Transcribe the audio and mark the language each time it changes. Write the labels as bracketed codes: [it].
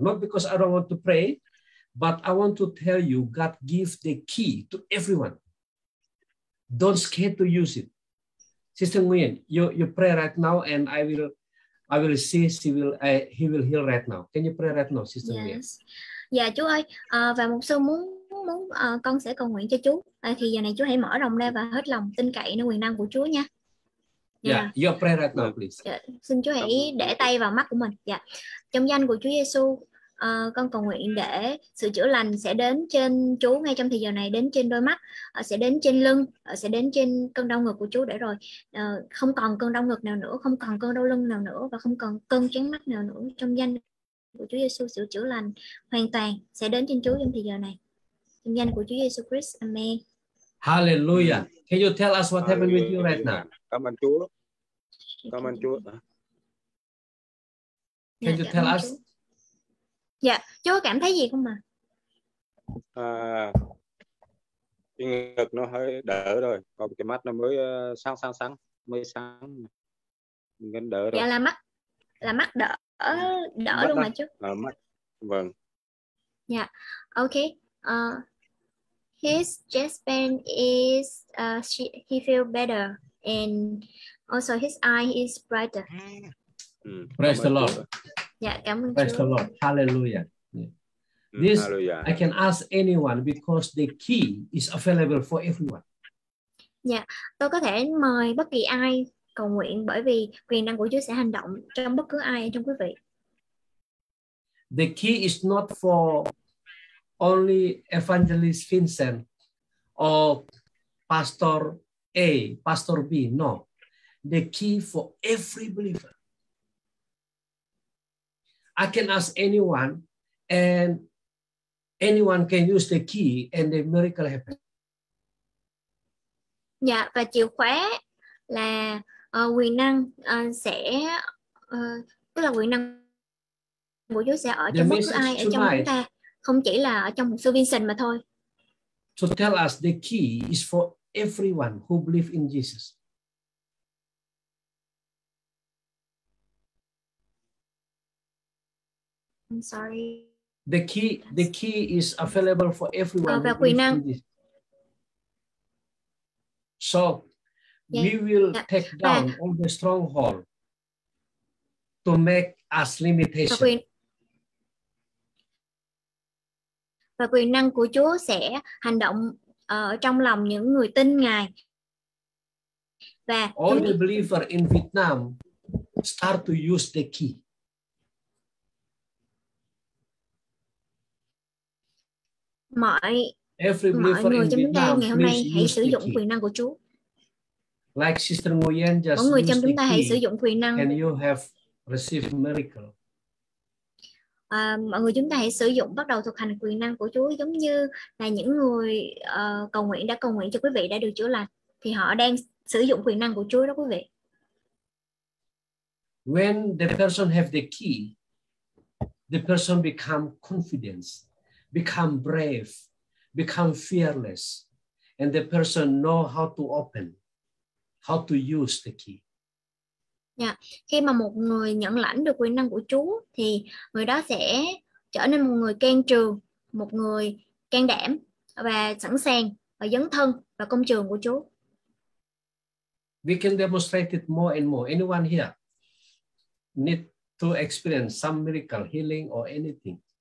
[en] Not because I don't want to pray, but I want to tell you God gives the key to everyone. Don't scared to use it. Sister Nguyen, you pray right now and I will see she will he will heal right now. Can you pray right now, Sister Nguyen? Yes. [vi] Yeah, Chú ơi, và một số muốn con sẽ cầu nguyện cho chú. Thì giờ này chú hãy mở rộng ra và hết lòng tin cậy nơi quyền năng của Chúa nha. [en] Yeah, your prayer right now, please. Yeah. [vi] Xin chú hãy để tay vào mắt của mình. Dạ. Yeah. Trong danh của Chúa Giêsu, con cầu nguyện để sự chữa lành sẽ đến trên chú ngay trong thời giờ này, đến trên đôi mắt, sẽ đến trên lưng, sẽ đến trên cơn đau ngực của chú để rồi không còn cơn đau ngực nào nữa, không còn cơn đau lưng nào nữa và không còn cơn choáng mắt nào nữa. Trong danh của Chúa Giêsu, sự chữa lành hoàn toàn sẽ đến trên chú trong thời giờ này. [en] In the name of Jesus Christ, amen. Hallelujah. Can you tell us what happened with you right now? [vi] Cảm ơn Chúa. Cảm ơn Chúa. [en] Can you tell us? [vi] Dạ, Chúa cảm thấy gì không mà? Cái ngực nó hơi đỡ rồi, còn cái mắt nó mới sáng, mới sáng. Mình đỡ rồi. Dạ là mắt đỡ mắt luôn đó. Mà chú. Là mắt. Vâng. [en] Dạ. Yeah. Okay. His chest pain is he feel better and also his eye is brighter. Praise the Lord. [vi] Yeah, cảm ơn [en] Praise [vi] Chúa. [en] The Lord. Hallelujah. Yeah. This Hallelujah. I can ask anyone because the key is available for everyone. [vi] Yeah, tôi có thể mời bất kỳ ai cầu nguyện bởi vì quyền năng của Chúa sẽ hành động trong bất cứ ai trong quý vị. [en] The key is not for only Evangelist Vincent or Pastor A, Pastor B. No. The key for every believer. I can ask anyone and anyone can use the key and the miracle happens. [vi] Dạ, và chìa khóa là quyền năng sẽ tức là quyền năng của Chúa sẽ ở trong bất cứ ai ở trong chúng ta. Không chỉ là ở trong một số Vincent mà thôi. [en] To tell us the key is for everyone who believe in Jesus. I'm sorry. The key is available for everyone. [vi] Và quyền năng. [en] So yeah. We will yeah. take down yeah. all the stronghold to make us limitation. [vi] Và quyền năng của Chúa sẽ hành động ở trong lòng những người tin Ngài. Và [en] all the believer in Vietnam start to use the key. [vi] Mọi người trong chúng ta ngày hôm nay hãy sử dụng quyền năng của Chúa. [en] Like Sister Nguyen just [vi] mọi người trong chúng ta hãy sử dụng quyền năng. [en] And you have received miracle. [vi] Mọi người chúng ta hãy sử dụng bắt đầu thực hành quyền năng của Chúa giống như là những người cầu nguyện đã cầu nguyện cho quý vị đã được chữa lành thì họ đang sử dụng quyền năng của Chúa đó quý vị. [en] When the person have the key, the person become confident, become brave, become fearless, and the person know how to open, how to use the key. Yeah. [vi] Khi mà một người nhận lãnh được quyền năng của Chúa thì người đó sẽ trở nên một người can trường, một người can đảm và sẵn sàng và dấn thân vào công trường của Chúa. [en] We can demonstrate it more and more. Anyone here need to experience some miracle healing or anything?